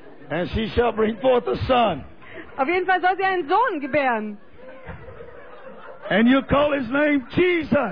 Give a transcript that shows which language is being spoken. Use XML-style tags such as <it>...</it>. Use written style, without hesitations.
<en>And she shall bring forth a son.</en> <de>Auf jeden Fall soll sie einen Sohn gebären.</de> <en>And you call his name Jesus.</en>